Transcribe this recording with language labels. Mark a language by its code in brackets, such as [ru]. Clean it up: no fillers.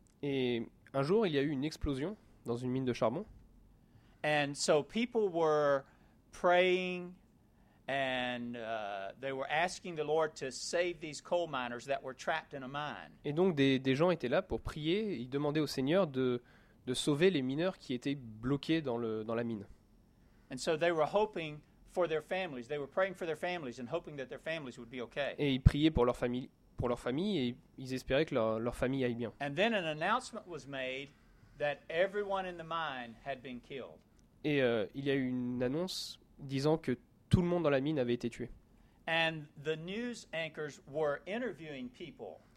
[fr] Et un jour, il y a eu une explosion dans une mine de charbon. [en] And so people were praying, and they were asking the Lord to save these coal miners that were trapped in a mine. [fr] Et donc des gens étaient là pour prier. Ils demandaient au Seigneur de sauver les mineurs qui étaient bloqués dans la mine. [en] And so they were hoping for their families. They were praying for their families and hoping that their families would be okay. [fr] Et ils priaient pour leur famille et ils espéraient que leur famille aille bien. [en] And then an announcement was made that everyone in the mine had been killed. [fr] Et il y a eu une annonce disant que tout le monde dans la mine avait été tué. [en] And the news anchors were interviewing people